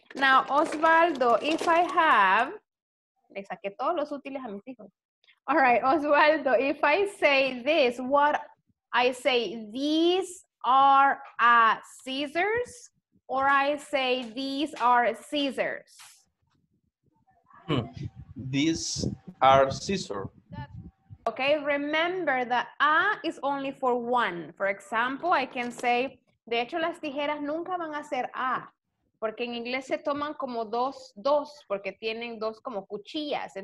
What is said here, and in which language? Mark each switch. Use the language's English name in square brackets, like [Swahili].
[Spanish] Now, Osvaldo, [English] if I have, [Spanish] le saqué todos los útiles a mis hijos. [English] All right, Osvaldo, if I say this, what I say, these are scissors, or I say, these are scissors? These are scissors. Okay, remember that a is only for one. For example, I can say, [Spanish] de hecho, las tijeras nunca van a ser a, porque en inglés se toman como dos, porque tienen dos como cuchillas.